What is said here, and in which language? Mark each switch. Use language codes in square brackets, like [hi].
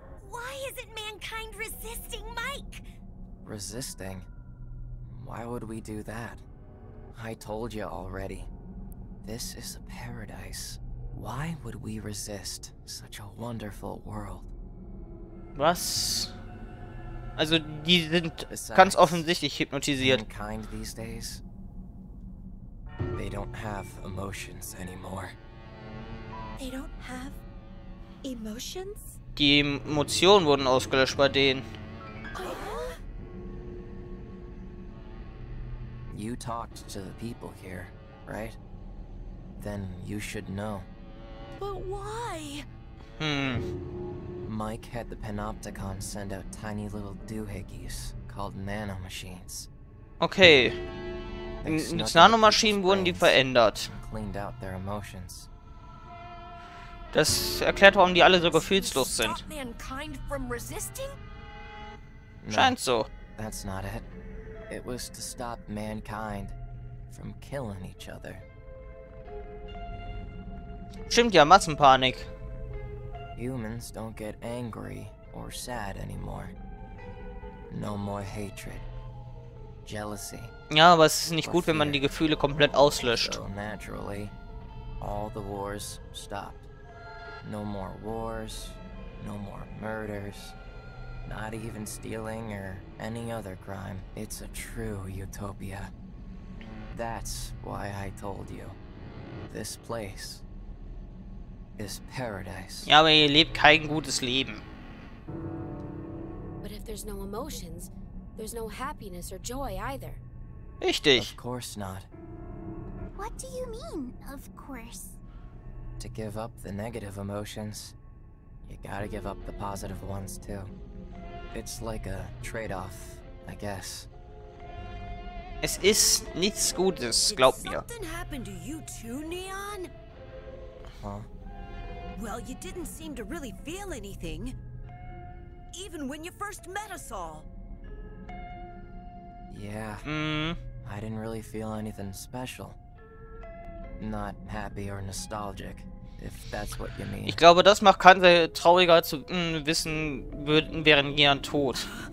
[en] Why isn't mankind resisting Mike? Resisting? Why would we do that? I told you already. This is a paradise. Why would we resist such a wonderful world? [de] Was? Also, die sind ganz offensichtlich hypnotisiert. [en] Mankind these days, they don't have emotions anymore. They don't have emotions? [de] Die Emotionen wurden ausgelöscht bei denen. [en] You talked to the people here, right? Then you should know. But why? Mike had the Panopticon send out tiny little doohickeys called nanomachines. Okay. [de] Nanomaschinen wurden die verändert. [en] Cleaned out their emotions. [de] Das erklärt, warum die alle so gefühlslos sind. Scheint so. [en] That's not it. It was to stop mankind from killing each other. [de] Stimmt ja, Massenpanik. [en] Humans don't get angry or sad anymore. No more hatred. Jealousy. [de] Ja, aber es ist nicht gut, wenn man die Gefühle komplett auslöscht. [en] Naturally, all the wars stopped. No more wars, no more murders, not even stealing or any other crime. It's a true utopia. That's why I told you. This place is paradise. [de] Ja, aber ihr lebt kein gutes Leben. [en] But if there's no emotions, there's no happiness or joy either. [de] Richtig. [en] Of course not. What do you mean, of course? To give up the negative emotions, you gotta give up the positive ones too. It's like a trade-off, I guess. [de] Es ist nichts Gutes, glaub mir. [en] Did something happen to you too, Neon? Huh? Well, you didn't seem to really feel anything. Even when you first met us all. Yeah. I didn't really feel anything special. Not happy or nostalgic, if that's what you mean. [de] Ich glaube, das macht Kansai trauriger zu wissen, wären Gian tot.